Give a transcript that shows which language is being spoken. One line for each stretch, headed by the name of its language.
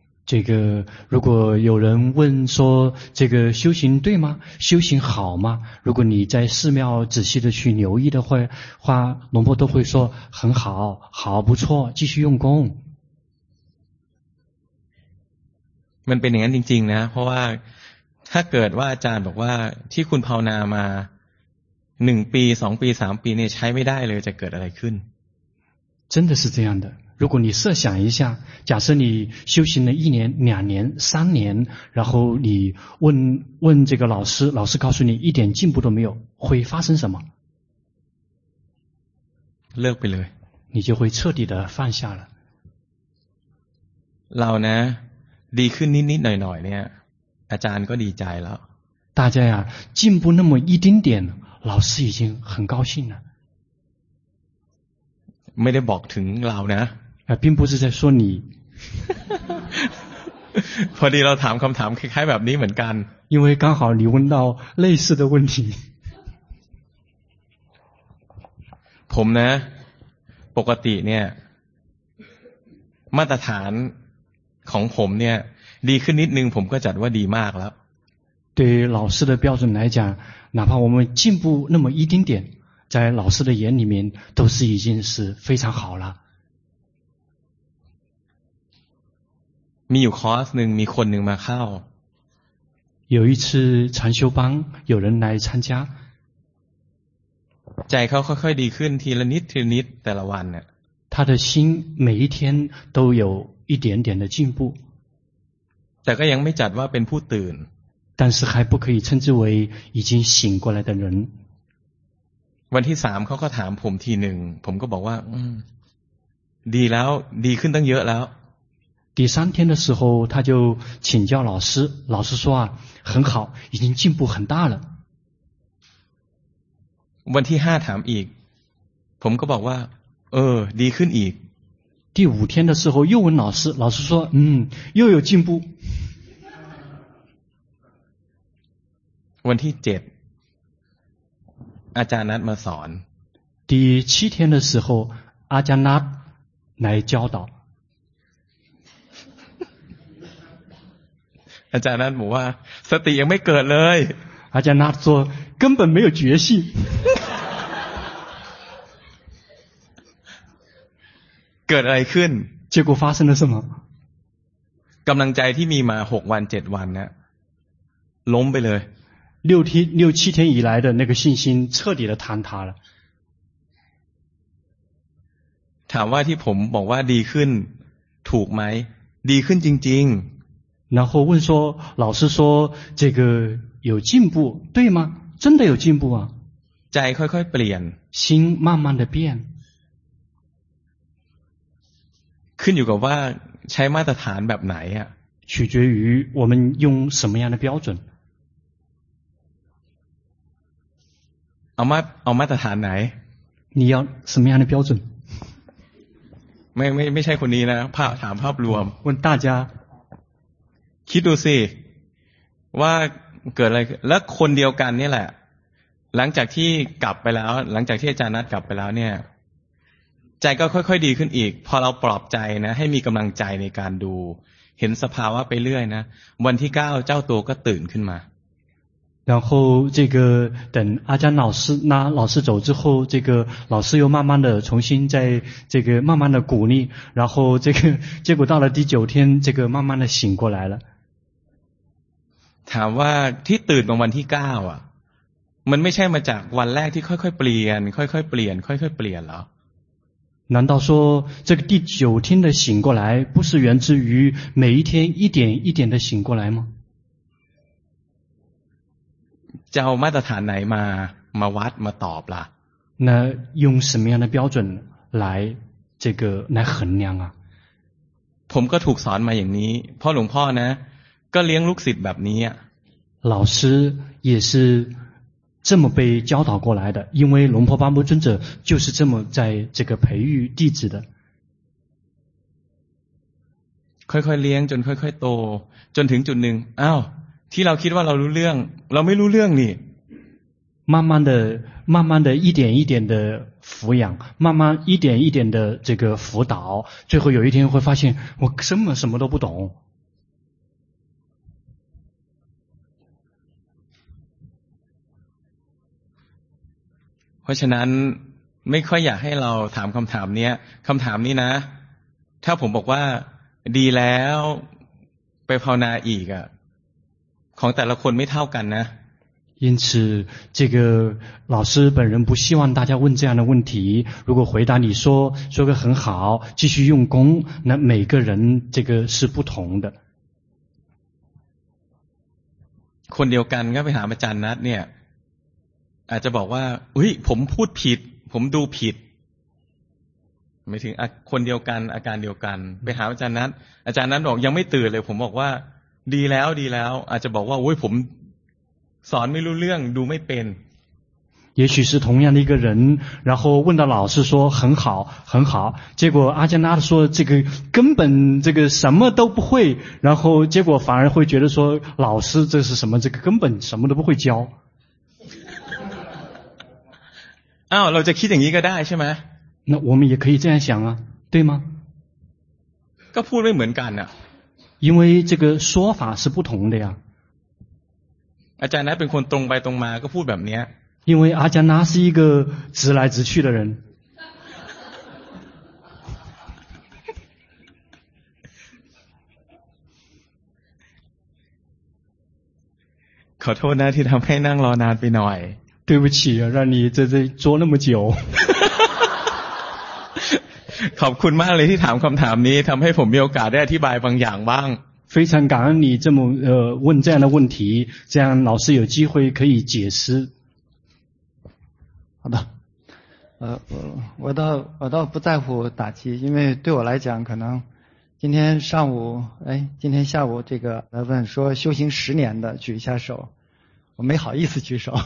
Chinese: 这个如果有人问说这个修行对吗修行好吗如果你在寺庙仔细的去留意的话龙婆都会说很好好不错继续用功
Thai: มันเป็นอย่างนั้นจริงๆนะเพราะว่าถ้าเกิดว่าอาจารย์บอกว่าที่คุณภาวนามา1ปี2ปี3ปีเนี่ยใช้ไม่ได้เลยจะเกิดอะไรขึ้น
Chinese: 真的是这样的如果你设想一下假设你修行了一年两年三年然后你问这个老师老师告诉你一点进步都没有会发生什么乐不乐你就会彻底的放下了老呢离去你你奶奶呢大家能够理解了大家呀进步那么一丁点老师已经很高兴了
Thai: ไม่ได้บอกถึงเรานะ
Chinese: 并不是在说你
Thai: พอดีเราถามคำถามคล้ายๆแบบนี้เหมือนกัน
Chinese: 因为刚好你问到类似的问题
Thai: ผมนะปกติเนี่ยมาตรฐานของผมเนี่ยดีขึ้นนิดนึงผมก็จัดว่าดีมากแล้ว
Chinese: 对于老师的标准来讲哪怕我们进步那么一丁点在老师的眼里面都是已经是非常好了
Thai: มีอยู่คอร์สนึงมีคนนึงมาเข้า
Chinese: 有一次禅修班有人来参加
Thai: ใจเขาค่อยๆดีขึ้นทีละนิดทีละนิดแต่ละวันเนี่ย
Chinese: 他的心每一天都有一点点的进步
Thai: แต่ก็ยังไม่จัดว่าเป็นผู้ตื่น
Chinese: 但是还不可以称之为已经醒过来的人
Thai: วันที่สามเขาก็ถามผมทีหนึ่งผมก็บอกว่าดีแล้วดีขึ้นตั้งเยอะแล้ว
Chinese: 第三天的时候他就请教老师老师说啊很好已经进步很大了
Thai: วันที่ห้าถามอีกผมก็บอกว่าดีขึ้นอีก
Chinese: 第五天的时候又问老师老师说又有进步
Thai: วันที่เจ็ดอาจารย์นัทมาสอน
Chinese: 第七天的时候อาจารย์นัท来教导
Thai: อาจารย์นัทบอกว่าสติยังไม่เกิดเลย
Chinese: อาจารย์นัท说根本没有觉性
Thai: เกิดอะไรขึ้น
Chinese: 结果发生了什么
Thai: กำลังใจที่มีมา6วัน7วันนะล้มไปเลย
Chinese: 六七天以来的那个信心彻底的坍塌了
Thai: ถามว่าที่ผมบอกว่าดีขึ้นถูกไหม ดีขึ้นจริง
Chinese: ๆ然后问说老师说这个有进步对吗真的有进步啊
Thai: ใจค่อยๆเปลี่ยน
Chinese: 心慢慢的变
Thai: ขึ้นอยู่กับว่าใช้มาตรฐานแบบไหนอ่ะ
Chinese: 取决于我们用什么样的标准
Thai: เอามาตรฐานไหน
Chinese: 你要什么样的标准
Thai: ไม่ใช่คนนี้นะภาพถามภาพรวม
Chinese: 问大家
Thai: คิดดูสิว่าเกิดอะไรแล้วคนเดียวกันนี่แหละหลังจากที่กลับไปแล้วหลังจากที่อาจารย์นัดกลับไปแล้วเนี่ยใจก็ค่อยๆดีขึ้นอีกพอเราปลอบใจนะให้มีกำลังใจในการดูเห็นสภาวะไปเรื่อยนะวันที่9เจ้าตัวก็ตื่นขึ้นมา
Chinese: 然后这个等阿江老师那老师走之后，这个老师又慢慢的重新在这个慢慢的鼓励，然后这个结果到了第九天，这个慢慢的醒过来了。
Thai: ถามว่าที่ตื่นบางวันที่เก้าอ่ะมันไม่ใช่มาจากวันแรกที่ค่อยๆเปลี่ยนค่อยๆเปลี่ยนค่อยๆเปลี่ยนเหรอ？
Chinese: 难道说这个第九天的醒过来不是源自于每一天一点一点的醒过来吗？
Thai: จะเอามาตรฐานไหนมาวัดมาตอบล่ะ
Chinese: 那用什么样的标准来这个来衡量啊
Thai: ผมก็ถูกสอนมาอย่างนี้พ่อหลวงพ่อนะก็เลี้ยงลูกศิษย์แบบนี้
Chinese: 老师也是这么被教导过来的因为龙婆巴木尊者就是这么在这个培育弟子的
Thai: ค่อยๆเลี้ยงจนค่อยๆโตจนถึงจุดหนึ่งอ้าวที่เราคิดว่าเรารู้เรื่องเราไม่รู้เรื่องนี่
Chinese: 慢慢的慢慢的一点一点的抚养慢慢一点一点的这个辅导最后有一天会发现我根本什么都不懂
Thai: เพราะฉะนั้นไม่ค่อยอยากให้เราถามคำถามนี้คำถามนี้นะถ้าผมบอกว่าดีแล้วไปภาวนาอีกอะของแต่ละคนไม่เท่ากันนะ
Chinese: 因此这个老师本人不希望大家问这样的问题如果回答你说说个很好继续用功那每个人这个是不同的
Thai: คนเดียวกันก็ไปถามอาจารย์นัดเนี่ยอาจจะบอกว่าอุ๊ยผมพูดผิดผมดูผิดไม่ถึงคนเดียวกันอาการเดียวกันไปถามอาจารย์นัดอาจารย์นัดบอกยังไม่ตื่นเลยผมบอกว่าดีแล้วดีแล้วอาจจะบอกว่าโอ้ยผมสอนไม่รู้เรื่องดูไม่เป็น
Chinese: 也许是同样的一个人然后问到老师说很好很好结果阿姜拉说这个根本这个什么都不会然后结果反而会觉得说老师这是什么这个根本什么都不会教
Thai: อ้าวเราจะคิดอย่างนี้ก็ได้ใช่ไหม
Chinese: 那我们也可以这样想啊对吗
Thai: ก็พูดไม่เหมือนกันอะ
Chinese: 因为这个说法是不同的呀
Thai: อาจารย์นะเป็นคนตรงไปตรงมาก็พูดแบบนี้
Chinese: 因为阿江拉是一个直来直去的人
Thai: ขอโทษนะที่ทำให้นั่งรอนานไปหน่อย
Chinese: 对不起让你在这坐那么久
Thai: ขอบคุณมากเลยที่ถามคำถามนี้ทำให้ผมมีโอกาสได้อธิบายบางอย่างบ้าง
Chinese: 非常感恩你这么问这样的问题，这样老师有机会可以解释。好的，我倒不在乎打击，因为对我来讲，可能今天上午，哎，今天下午这个来问说修行十年的举一下手，我没好意思举手。